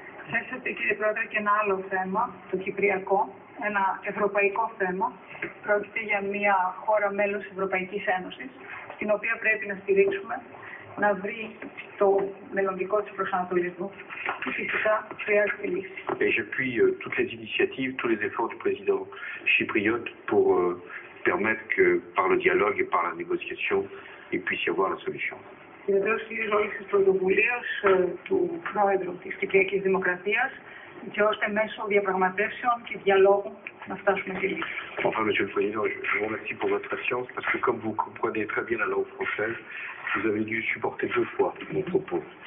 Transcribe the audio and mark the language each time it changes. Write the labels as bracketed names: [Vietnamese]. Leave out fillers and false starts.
[Greek] Θέσατε, κύριε Πρόεδρε, και ένα άλλο θέμα, το Κυπριακό, ένα ευρωπαϊκό θέμα. Πρόκειται για μια χώρα μέλος Ευρωπαϊκής Ένωσης, στην οποία πρέπει να στηρίξουμε, να βρει το μελλοντικό της προσανατολισμού. Φυσικά, χρειάζεται λύση. [French] Et j'appuie toutes les initiatives, tous les efforts du président chypriote pour permettre que par le dialogue et par la négociation, il puisse y avoir la solution. [Greek] Και εδώ στηρίζω όλες τις πρωτοβουλίες του Πρόεδρου της Κυπριακής Δημοκρατίας και ώστε μέσω διαπραγματεύσεων και διαλόγου να φτάσουμε στη λύση. [French] Enfin, monsieur le Président, je vous remercie pour votre patience parce que comme vous comprenez très bien la langue française, vous avez dû supporter deux fois mon propos.